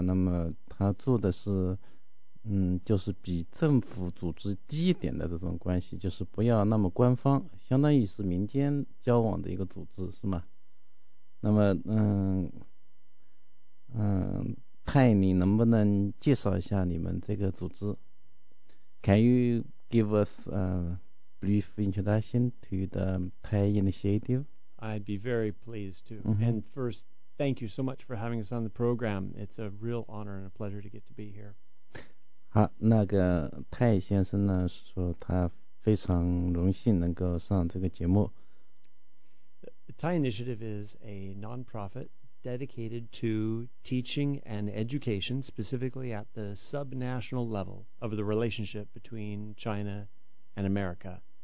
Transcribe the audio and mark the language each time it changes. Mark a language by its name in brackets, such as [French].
[Chinese] 那么他做的是就是比政府组织低一点的这种关系，就是不要那么官方，相当于是民间交往的一个组织是吗？那么泰，你能不能介绍一下你们这个组织？ [English] Can you give us a brief introduction to the Thai Initiative? I'd be very pleased to、and first thank you so much for having us on the program. It's a real honor and a pleasure to get to be here. [Chinese] 好，那个泰先生呢，说他非常荣幸能够上这个节目。 [English] The Thai Initiative is a non-profit dedicated to teaching and education, specifically at the sub-national level of the relationship between China and America.